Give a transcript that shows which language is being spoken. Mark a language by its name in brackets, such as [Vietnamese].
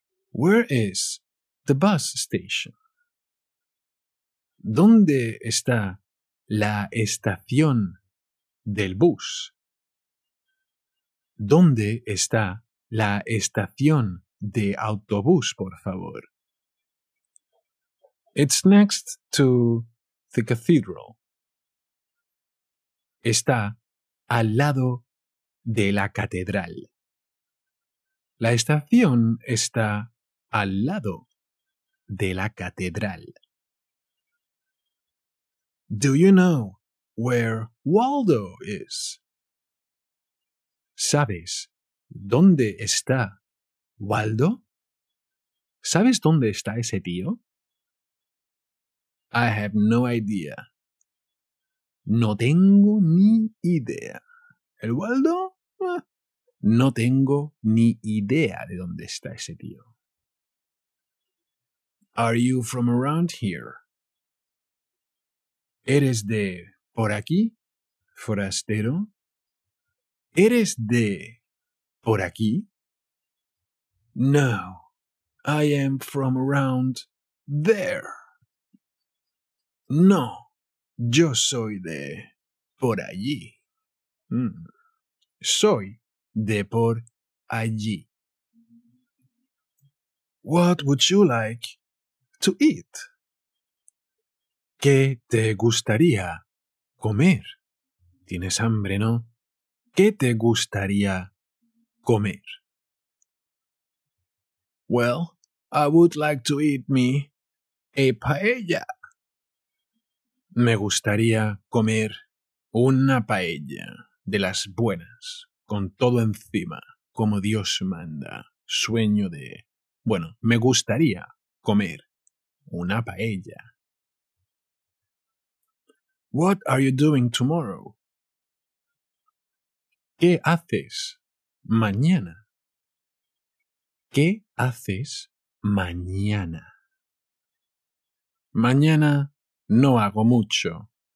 [English] Where is the bus station? [Spanish] ¿Dónde está la estación del bus? ¿Dónde está la estación de autobús, por favor? [English] It's next to the cathedral. [Spanish] Está al lado de la catedral. La estación está al lado de la catedral. [English] Do you know where Waldo is? [Spanish] ¿Sabes dónde está Waldo? ¿Sabes dónde está ese tío? [English] I have no idea. [Spanish] No tengo ni idea. ¿El Waldo? No tengo ni idea de dónde está ese tío. [English] Are you from around here? [Spanish] ¿Eres de por aquí, forastero? ¿Eres de por aquí? [English] No, I am from around there. [Spanish] No, yo soy de por allí. Soy de por allí. [English] What would you like to eat? [Spanish] ¿Qué te gustaría comer? Tienes hambre, ¿no? ¿Qué te gustaría comer? [English] Well, I would like to eat me a paella. [Spanish] Me gustaría comer una paella de las buenas, con todo encima, como Dios manda. Sueño de... Bueno, me gustaría comer una paella. [English] What are you doing tomorrow? [Spanish] ¿Qué haces mañana? ¿Qué haces mañana? Mañana no hago mucho.